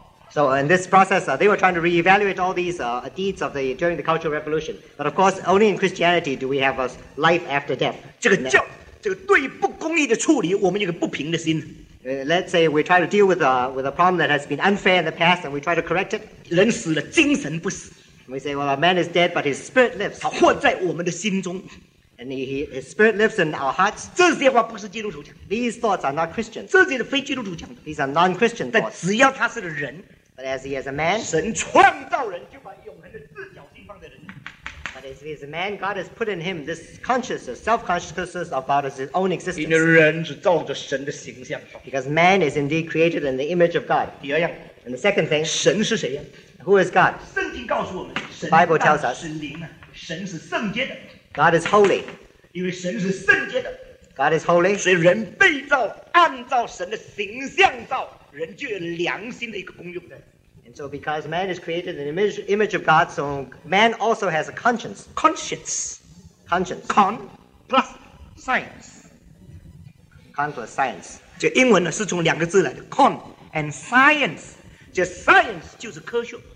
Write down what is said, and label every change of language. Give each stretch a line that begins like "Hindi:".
English: So in this process they were trying to re-evaluate all these deeds of the, during the Cultural Revolution but of course only in Christianity do we have a life after death
Chinese: 这个对于不公义的处理我们有个不平的心
English: Let's say we try to deal with a problem that has been unfair in the past and we try to correct it.
Chinese: 人死了精神不死。
English: We say, well, a man is dead, but his spirit lives.
Chinese: 他活在我们的心中。
English: And his spirit lives in our hearts.
Chinese: 这些话不是基督徒讲的。
English: These thoughts are not Christians.
Chinese: 这些是非基督徒讲的。
English: These are non-Christian thoughts.
Chinese: 但只要他是人。
English: But as he is a man.
Chinese: 神创造人就把永恒的自角性放在人。
English: As he is a man, God has put in him this consciousness, self-consciousness about his own existence.
Chinese: 因为人是照着神的形象。
English: Because man is indeed created in the image of God.
Chinese: 第二样。
English: And the second thing.
Chinese: 神是谁呀？
English: Who is God?
Chinese: 圣经告诉我们，神。
English: Bible tells us.
Chinese: 是灵啊，神是圣洁的。
English: God is holy.
Chinese: 因为神是圣洁的。
English: God is holy.
Chinese: 所以人被造，按照神的形象造，人就有良心的一个功用的。
English: So because man is created in the image of God, so man also has a conscience. Conscience. Conscience. Con plus science. Con plus science.
Chinese: 这英文呢是从两个字来的 ,
English: con and science.
Chinese: 这 science 就是科学。